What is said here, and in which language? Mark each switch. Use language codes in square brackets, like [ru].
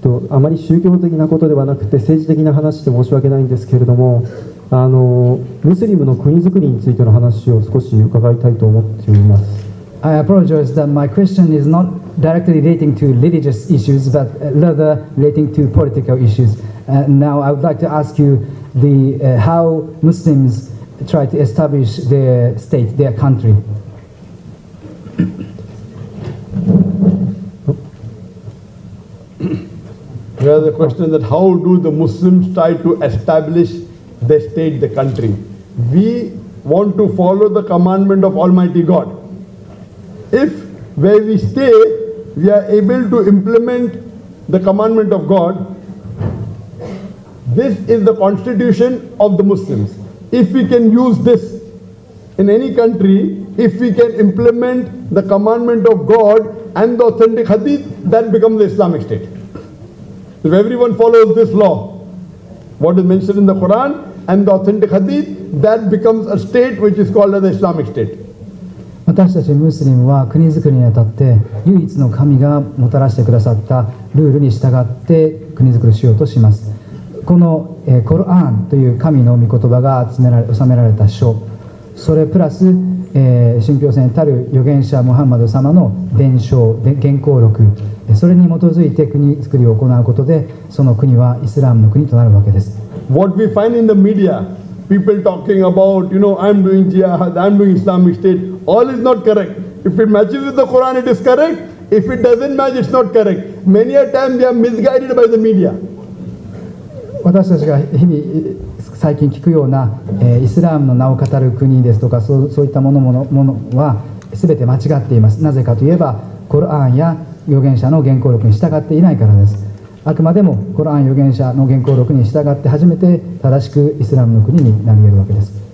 [ja] あまり宗教的なことではなくて政治的な話で申し訳ないんですけれども、ムスリムの国づくりについての話を少し伺いたいと思っています。 [en] I apologize that my question is not directly relating to religious issues, but rather relating to political issues. And now I would like to ask you the, how Muslims. Try to establish their state, their country. Well, the question is that how do the Muslims try to establish their state, the country? We want to follow the commandment of Almighty God. If where we stay, we are able to implement the commandment of God, this is the constitution of the Muslims. If we can use this in any country, if we can implement the commandment of God and the authentic hadith, that becomes the Islamic state. If everyone follows this law, what is mentioned in the Quran and the authentic hadith, that becomes a state which is called as the Islamic state. [ja] 私たちムスリムは国づくりにあたって唯一の神がもたらしてくださったルールに従って国づくりしようとします。このコルアンという神の御言葉が収められた書、それプラス信憑性たる預言者ムハンマド様の伝承原稿録、それに基づいて国づくりを行うことで、その国はイスラムの国となるわけです。 [en] What we find in the media, people talking about, you know, I'm doing jihad, I'm doing Islamic state, all is not correct. If it matches with the Quran, it is correct. If it doesn't match, it's not correct. Many a time we are misguided by the media. [ja] 私たちが日々最近聞くような、イスラームの名を語る国ですとか、そういったものは全て間違っています。なぜかといえば、コルアンや預言者の原稿録に従っていないからです。あくまでもコルアン預言者の原稿録に従って初めて正しくイスラームの国になり得るわけです。